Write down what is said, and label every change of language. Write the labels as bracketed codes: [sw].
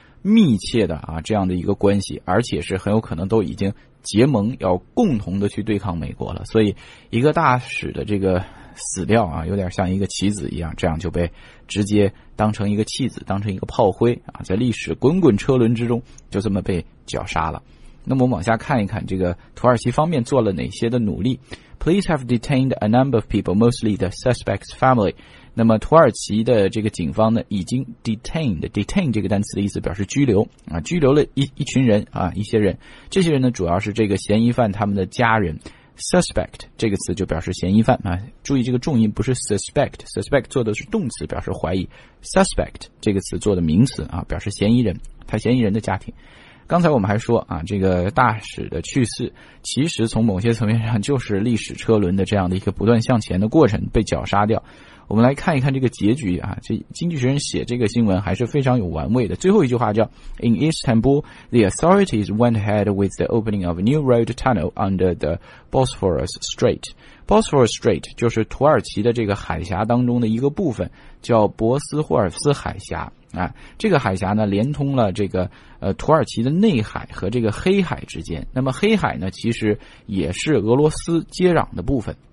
[zh] 密切的啊这样的一个关系，而且是很有可能都已经结盟要共同的去对抗美国了，所以一个大使的这个死掉啊有点像一个棋子一样，这样就被直接当成一个弃子，当成一个炮灰啊，在历史滚滚车轮之中就这么被绞杀了。那么我们往下看一看这个土耳其方面做了哪些的努力。 [en] Police have detained a number of people, mostly the suspect's family. [zh] 那么土耳其的这个警方呢已经 detain 这个单词的意思表示拘留啊，拘留了一群人啊，一些人，这些人呢主要是这个嫌疑犯他们的家人。 suspect 这个词就表示嫌疑犯啊，注意这个重音不是 suspect 做的是动词表示怀疑， suspect 这个词做的名词啊，表示嫌疑人，他嫌疑人的家庭。刚才我们还说啊，这个大使的去世其实从某些层面上就是历史车轮的这样的一个不断向前的过程被绞杀掉。我们来看一看这个结局啊，这经济学人写这个新闻还是非常有玩味的。最后一句话叫 [en] In Istanbul, the authorities went ahead with the opening of a new road tunnel under the Bosphorus Strait. [zh] Bosphorus Strait 就是土耳其的这个海峡当中的一个部分，叫博斯霍尔斯海峡啊。这个海峡呢连通了这个土耳其的内海和这个黑海之间。那么黑海呢其实也是俄罗斯接壤的部分。